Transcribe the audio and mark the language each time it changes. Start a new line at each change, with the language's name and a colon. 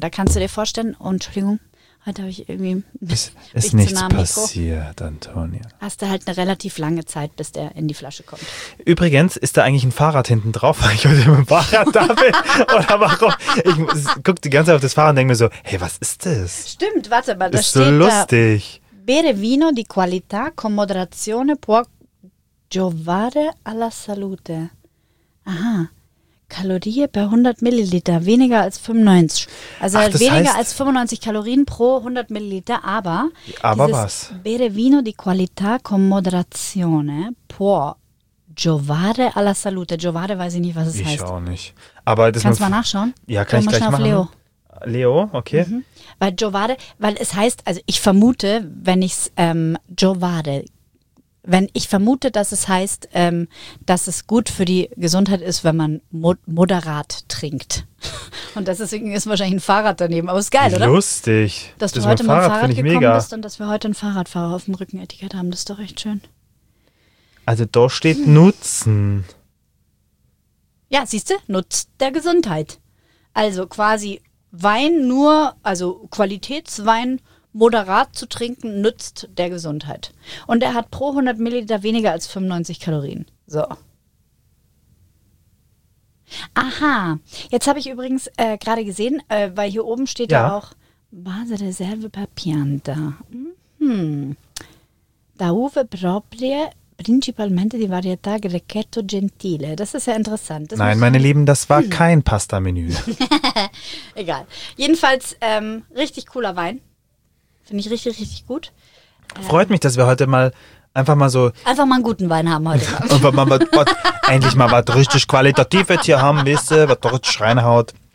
German: Da kannst du dir vorstellen, Entschuldigung. Heute habe ich irgendwie... Ist nichts passiert, Antonia. Hast du halt eine relativ lange Zeit, bis der in die Flasche kommt. Übrigens, ist da eigentlich ein Fahrrad hinten drauf, weil ich heute mit dem Fahrrad da bin? Oder warum? Ich gucke die ganze Zeit auf das Fahrrad und denke mir so, hey, was ist das? Stimmt, warte mal, das steht so lustig.
Italian: Da, bere vino di qualità con moderazione può giovare alla salute.
German: Aha. Kalorie per 100 Milliliter, weniger als 95. Also ach, weniger heißt, als 95 Kalorien pro 100 Milliliter, aber. Aber was?
Italian: Bere vino di qualità con moderazione può giovare alla salute.
German: Giovare weiß ich nicht, was es ich heißt. Ich auch nicht. Aber das kannst du mal nachschauen? Ja, kann ich gleich machen. Auf Leo. Leo, okay. Mhm. Weil Giovare, weil es heißt, also ich vermute, wenn ich es Giovare. Wenn ich vermute, dass es heißt, dass es gut für die Gesundheit ist, wenn man moderat trinkt. Und deswegen ist wahrscheinlich ein Fahrrad daneben. Aber ist geil, oder? Lustig. Dass das du heute Fahrrad, mit Fahrrad gekommen mega. Bist und dass wir heute ein Fahrradfahrer auf dem Rückenetikett haben. Das ist doch echt schön. Also da steht Nutzen. Ja, siehst du? Nutzt der Gesundheit. Also quasi Wein nur, also Qualitätswein, moderat zu trinken, nützt der Gesundheit. Und er hat pro 100 Milliliter weniger als 95 Kalorien. So. Aha. Jetzt habe ich übrigens gerade gesehen, weil hier oben steht ja auch
Italian: Base reserve per pianta. Da uve proprie principalmente di varietà Grechetto Gentile.
German: Das ist ja interessant. Das nein, meine Lieben, das war kein Pasta-Menü. Egal. Jedenfalls richtig cooler Wein. Finde ich richtig, richtig gut. Freut mich, dass wir heute mal einfach mal so... Einfach mal einen guten Wein haben heute. Einfach mal endlich mal was richtig Qualitatives hier haben, wisst ihr, was richtig reinhaut.